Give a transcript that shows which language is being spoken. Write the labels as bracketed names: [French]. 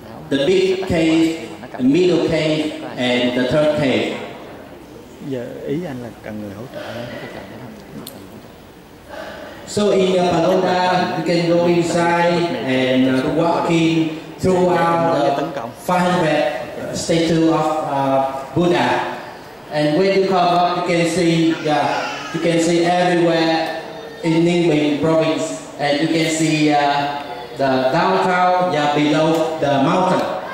[English] The big cave, the middle cave and the third cave. [Vietnamese] Giờ ý anh là cần người hỗ trợ. [English] So in the pagoda, you can go inside and walk in throughout the 500 statue of Buddha. And when you come up, you can see everywhere in Ninh Bình province, and you can see the downtown below the mountain.